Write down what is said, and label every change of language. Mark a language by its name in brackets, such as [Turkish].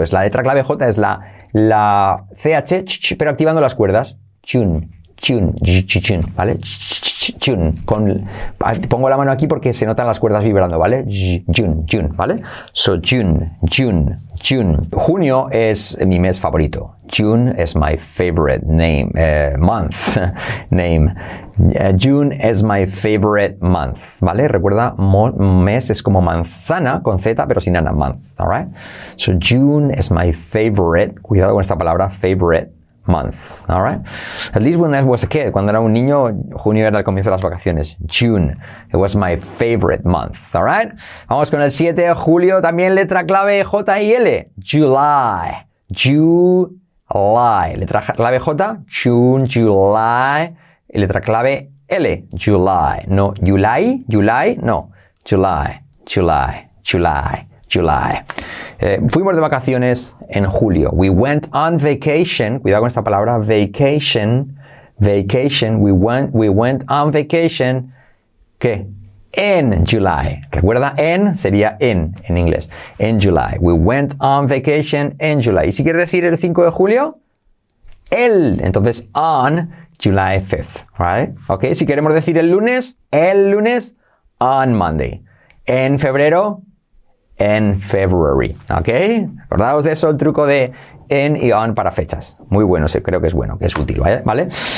[Spanish] Es la letra clave J, es la CH, pero activando las cuerdas. Chun, chun, chun, ¿vale? Chun. Pongo la mano aquí porque se notan las cuerdas vibrando, ¿vale? Chun, chun, ¿vale? So, chun, chun, chun. Junio es mi mes favorito. [English] June is my favorite name, month, name. June is my favorite month, ¿vale? [Spanish] Recuerda, mes es como manzana con Z, pero sin ana, [English] month, all right? So June is my favorite, [Spanish] cuidado con esta palabra, [English] favorite month, all right? At least when I was a kid, [Spanish] cuando era un niño, junio era el comienzo de las vacaciones. [English] June, it was my favorite month, all right? [Spanish] Vamos con el 7, julio, también letra clave J y L. [English] July, July, [Spanish] letra clave J, [English] June, July, [Spanish] y letra clave L, [English] July, no, July, July, no, July, July, July, July. [Spanish] Fuimos de vacaciones en julio. [English] We went on vacation, [Spanish] cuidado con esta palabra, [English] vacation, vacation, we went on vacation, ¿qué? [Spanish] En July. Recuerda, en sería en inglés. En July. [English] We went on vacation in July. [Spanish] Y si quieres decir el 5 de julio, el. [English] Entonces, on July 5th. Right? Ok. [Spanish] Si queremos decir el lunes, [English] on Monday. [Spanish] En febrero, en February. Ok. Acordaos de eso, el truco de en y on para fechas. Muy bueno, creo que es bueno, que es útil, ¿vale? ¿Vale?